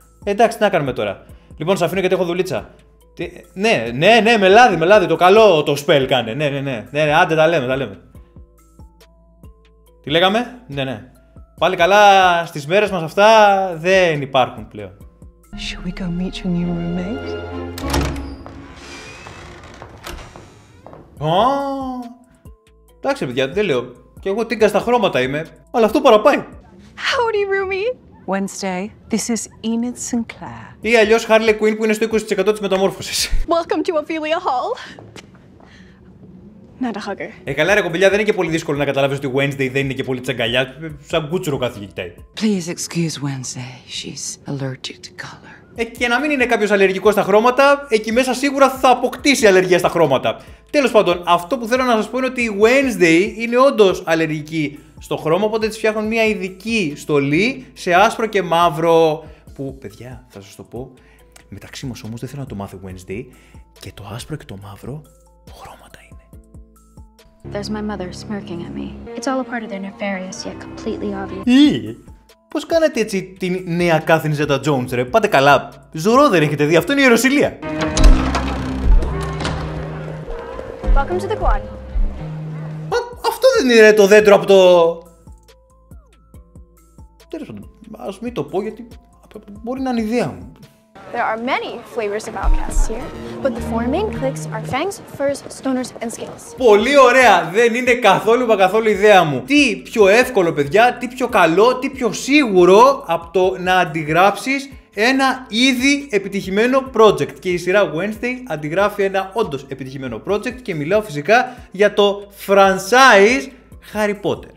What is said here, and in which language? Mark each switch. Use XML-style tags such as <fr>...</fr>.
<el>Εντάξει, τι να κάνουμε τώρα. Λοιπόν, σ' αφήνω γιατί έχω δουλίτσα. Τι, ναι, ναι, ναι, με λάδι, το καλό το spell κάνε, ναι, άντε τα λέμε. Τι λέγαμε, ναι. Πάλι καλά, στις μέρες μας αυτά δεν υπάρχουν πλέον.</el> <en>Should we go meet your new roommate?</en> <el>Εντάξει παιδιά, δεν λέω, και εγώ τίγκα στα χρώματα είμαι, αλλά αυτό παραπάει.</el> <en>Howdy, roomie. Wednesday, this is Enid Sinclair.</en> <el>Ή αλλιώς Harley Quinn που είναι στο 20% της μεταμόρφωσης.</el> <en>Welcome to Ophelia Hall. Not a hugger.</en> <el>Καλά ρε κομπηλιά, δεν είναι και πολύ δύσκολο να καταλάβεις ότι Wednesday δεν είναι και πολύ τσαγκαλιά. Σαν κούτσουρο καθηγητέ.</el> <en>Please excuse Wednesday, she's allergic to color.</en> <el>Και να μην είναι κάποιος αλλεργικός στα χρώματα, εκεί μέσα σίγουρα θα αποκτήσει αλλεργία στα χρώματα. Τέλος πάντων, αυτό που θέλω να σας πω είναι ότι η Wednesday είναι όντως αλλεργική στο χρώμα, οπότε της φτιάχνουν μια ειδική στολή σε άσπρο και μαύρο. Που, παιδιά, θα σας το πω, μεταξύ μας όμως δεν θέλω να το μάθει Wednesday, και το άσπρο και το μαύρο χρώματα είναι.</el> <en>There's my mother smirking at me. It's all a part of their nefarious yet completely obvious.</en> <el>Πώς κάνετε έτσι την νέα Κάθριν Ζέτα Τζόουνς, ρε? Πάτε καλά. Ζωρό δεν έχετε δει. Αυτό είναι η Ιεροσυλία.</el> <en>Welcome to the quad.</en> <el>Αυτό δεν είναι το δέντρο από το... Τέλος πάντων, ας μην το πω γιατί μπορεί να είναι ιδέα μου.</el> <en>There are many flavors of outcasts here, but the 4 main cliques are fangs, furs, stoners and skills.</en> <el>Πολύ ωραία! Δεν είναι καθόλου μα καθόλου ιδέα μου. Τι πιο εύκολο, παιδιά, τι πιο καλό, τι πιο σίγουρο από το να αντιγράψεις ένα ήδη επιτυχημένο project. Και η σειρά Wednesday αντιγράφει ένα όντως επιτυχημένο project και μιλάω φυσικά για το franchise Harry Potter.</el>